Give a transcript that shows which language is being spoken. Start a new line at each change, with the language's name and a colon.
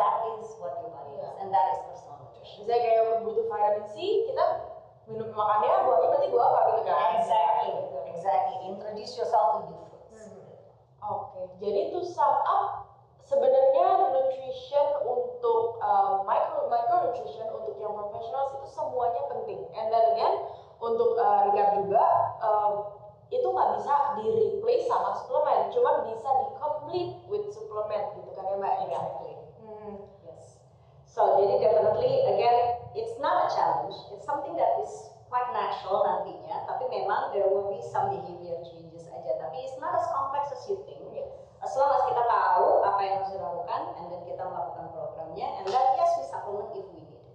English: And that is what your body is, and that is personal nutrition.
Indonesian: Misalnya kayak butuh vitamin C, kita minum makannya, buahnya berarti buah apa gitu kan?
English: Exactly, exactly. Introduce yourself to new foods. Mm. Okay,
Indonesian: jadi
English: to sum up.
Indonesian: Sebenarnya nutrition untuk micro nutrition untuk yang profesional itu semuanya penting.
English: And then again,
Indonesian: untuk rehab juga itu nggak bisa di replace sama suplemen, cuma bisa di
English: complete with
Indonesian: suplemen gitu kan ya Mbak?
English: Exactly. Hmm. Yes. So
Indonesian: jadi
English: definitely again it's not a challenge. It's something that is quite natural
Indonesian: nantinya. Tapi memang
English: there will be some behavior changes
Indonesian: aja. Tapi
English: it's not as complex as you think. Yes. As long as
Indonesian: kita tahu apa yang harus dilakukan,
English: and then
Indonesian: kita melakukan programnya,
English: and that yes, we supplement if we need.